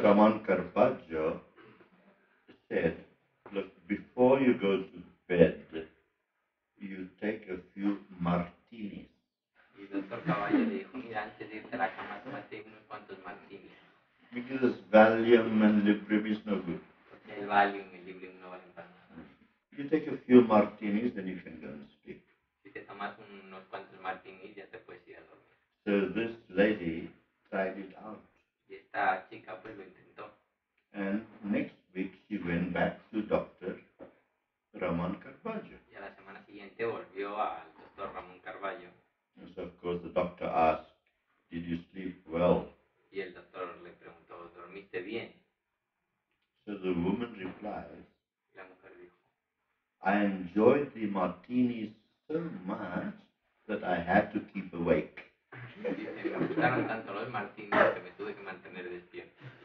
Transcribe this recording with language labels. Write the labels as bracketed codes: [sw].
[en] Raman Carbajo said, look, before you go to bed, you take a few martinis. [es] Y Dr. Carbajo dijo, mira, antes de irte a la cama, tómate unos cuantos martinis. [en] Because Valium and Librium is no good. [es] Porque el Valium y Librium no valen para nada. [en] You take a few martinis, then you can go and sleep. [es] Si te tomas unos cuantos martinis, ya te puedes ir a dormir. [en] So this lady tried it out. [es] Y esta chica pues lo intentó. [en] And next week she went back to Dr. Raman Carbajo. [es] Y a la semana siguiente volvió al Dr. Raman Carbajo. [en] And so of course the doctor asked, did you sleep well? [es] Y el doctor le preguntó, ¿dormiste bien? [en] So the woman replies, [es] la mujer dijo, [en] I enjoyed the martinis so much that I had to keep awake. [es] Dice, me gustaron tanto los martinis que me tuve que mantener despierto.